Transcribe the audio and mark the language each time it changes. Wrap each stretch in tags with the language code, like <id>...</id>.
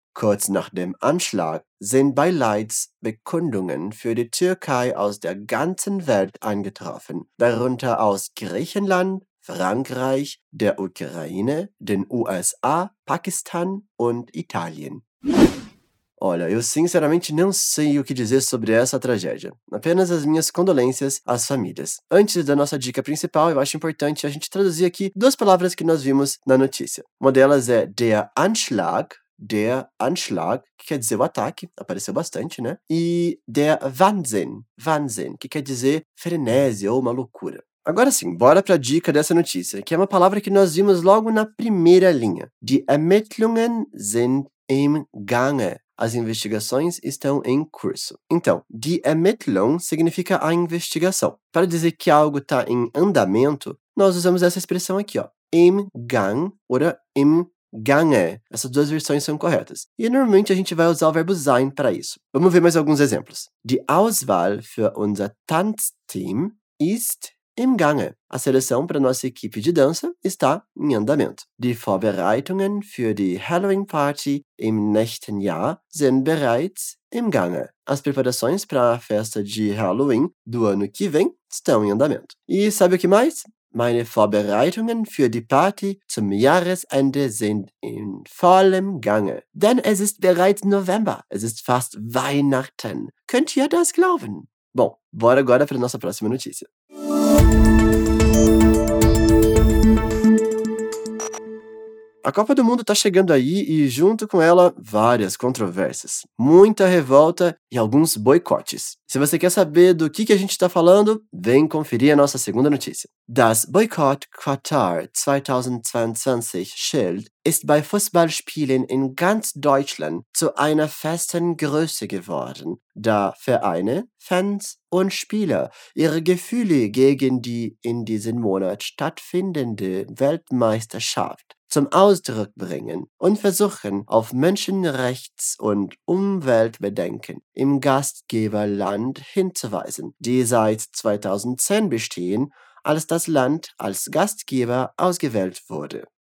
<de>Kurz nach dem Anschlag sind bei Leitz Bekundungen für die Türkei aus der ganzen Welt eingetroffen, darunter aus Griechenland, Frankreich, der Ukraine, den USA, Pakistan und Italien.</de> <pt>Olha, eu sinceramente não sei o que dizer sobre essa tragédia. Apenas as minhas condolências às famílias. Antes da nossa dica principal, eu acho importante a gente traduzir aqui duas palavras que nós vimos na notícia. Uma delas é der Anschlag. Der Anschlag, que quer dizer o ataque, apareceu bastante, né? E der Wahnsinn, Wahnsinn, que quer dizer frenesi ou uma loucura. Agora sim, bora pra dica dessa notícia, que é uma palavra que nós vimos logo na primeira linha.</pt> <de>Die Ermittlungen sind im Gange.</de> <pt>As investigações estão em curso. Então, die Ermittlung significa a investigação. Para dizer que algo tá em andamento, nós usamos essa expressão aqui, ó.</pt> <de>Im Gang oder im Gange.</de> <pt>Essas duas versões são corretas. E normalmente a gente vai usar o verbo sein para isso. Vamos ver mais alguns exemplos.</pt> <de>Die Auswahl für unser Tanzteam ist im Gange.</de> <pt>A seleção para nossa equipe de dança está em andamento.</pt> <de>Die Vorbereitungen für die Halloween Party im nächsten Jahr sind bereits im Gange.</de> <pt>As preparações para a festa de Halloween do ano que vem estão em andamento. E sabe o que mais?</pt> <de>Meine Vorbereitungen für die Party zum Jahresende sind in vollem Gange. Denn es ist bereits November. Es ist fast Weihnachten. Könnt ihr das glauben?</de> <pt>Bom, bora agora para a nossa próxima notícia. A Copa do Mundo está chegando aí e, junto com ela, várias controvérsias, muita revolta e alguns boicotes. Se você quer saber do que a gente está falando, vem conferir a nossa segunda notícia.</pt> <de>Das Boykott Qatar 2022 Schild ist bei Fußballspielen in ganz Deutschland zu einer festen Größe geworden, da Vereine, Fans und Spieler ihre Gefühle gegen die in diesem Monat stattfindende Weltmeisterschaft zum Ausdruck bringen und versuchen, auf Menschenrechts- und Umweltbedenken im Gastgeberland hinzuweisen, die seit 2010 bestehen, als das Land als Gastgeber ausgewählt wurde.</de>